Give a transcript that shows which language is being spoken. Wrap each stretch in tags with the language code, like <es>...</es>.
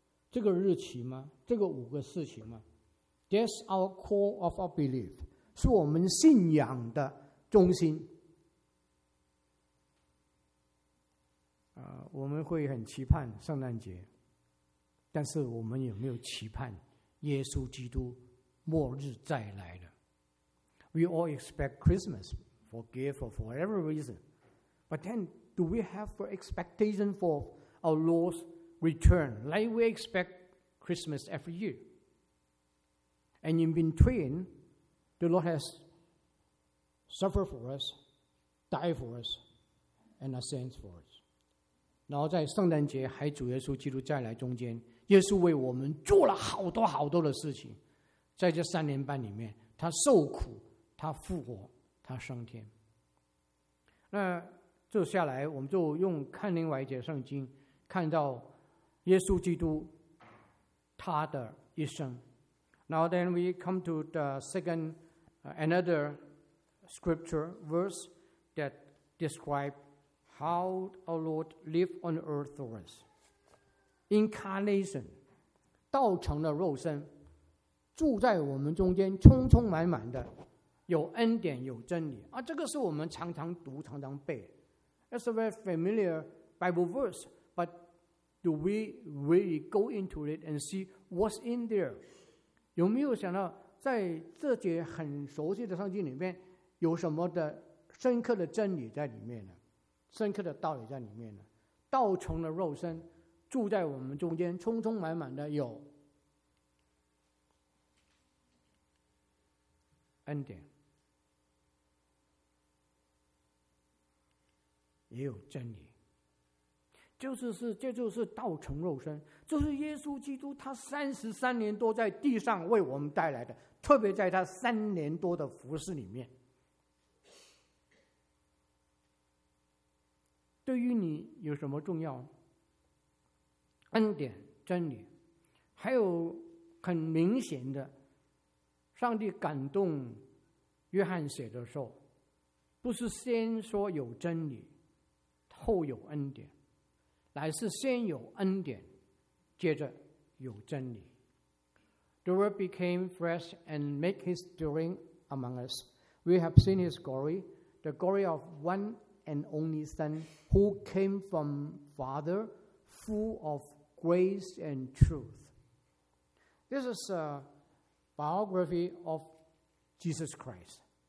<zh>这个日期吗？这个五个事情吗？</zh> <en>That's our core of our belief，</en> <zh>是我们信仰的中心。我们会很期盼圣诞节，但是我们有没有期盼耶稣基督末日再来的？</zh> <en>We all expect Christmas for gift or for whatever reason， but then do we have for expectation for our Lord's return like we expect Christmas every year? And in between, the Lord has suffered for us, died for us, and ascended for us.</en> <zh>然后在圣诞节还主耶稣基督再来中间，耶稣为我们做了好多好多的事情，在这三年半里面，他受苦，他复活，他升天。那这下来我们就用看另外一节圣经，看到耶稣基督他的一生。</zh> <en>Now then we come to the second another scripture verse that describe how our Lord lived on earth for us.</en> <zh>Incarnation 道成了肉身，住在我们中间，充充满满的有恩典有真理啊，这个是我们常常读常常背。</zh> <en>It's a very familiar Bible verse, but do we really go into it and see what's in there?</en> <zh>有没有想到在这节很熟悉的圣经里面有什么的深刻的真理在里面呢？深刻的道理在里面呢？道成了肉身，住在我们中间，充充满满的有恩典也有真理。这就是道成肉身，就是耶稣基督他33年多在地上为我们带来的，特别在他3年多的服事里面，对于你有什么重要？恩典真理，还有很明显的上帝感动约翰写的时候，不是先说有真理后有恩典，乃是先有恩典接着有真理。</zh> <en>The word became flesh and made his dwelling among us. We have seen his glory, the glory of one and only Son who came from Father full of grace and truth. This is a biography of Jesus Christ.</en>